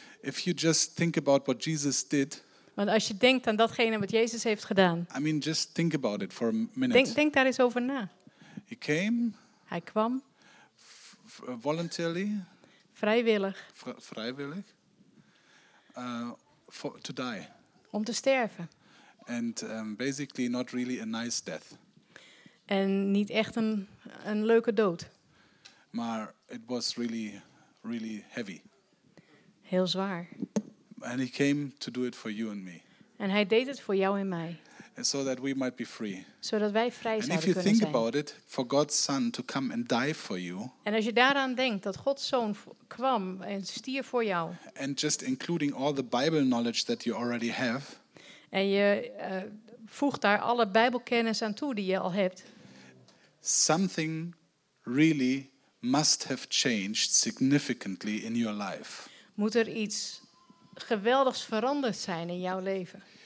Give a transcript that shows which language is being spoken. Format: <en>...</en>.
<en>If you just think about what Jesus did.</en> <nl>Want als je denkt aan datgene wat Jezus heeft gedaan.</nl> <en>I mean, just think about it for a minute.</en> <nl>Denk daar eens over na.</nl> <en>He came.</en> <nl>Hij kwam.</nl> <en>Voluntarily.</en> <nl>Vrijwillig. Vrijwillig.</nl> <en>To die.</en> <nl>Om te sterven.</nl> <en>And basically not really a nice death.</en> <nl>En niet echt een leuke dood.</nl> <en>Maar it was really, really heavy.</en> <nl>Heel zwaar.</nl> <en>And he came to do it for you and me.</en> <nl>En hij deed het voor jou en mij.</nl> <en>And so that we might be free.</en> <nl>Zodat wij vrij</nl> <en>and</en> <nl>zouden</nl> <en>if you think</en> <nl>zijn.</nl> <en>About it, for God's son to come and die for you.</en> <nl>En als je daaraan denkt dat Gods zoon kwam en stierf voor jou.</nl> <en>And just including all the Bible knowledge that you already have.</en> <nl>En je voeg daar alle Bijbelkennis aan toe die je al hebt.</nl> <en>Something really must have changed significantly in your life.</en> <nl>Moet er iets geweldigs veranderd zijn in jouw leven?</nl>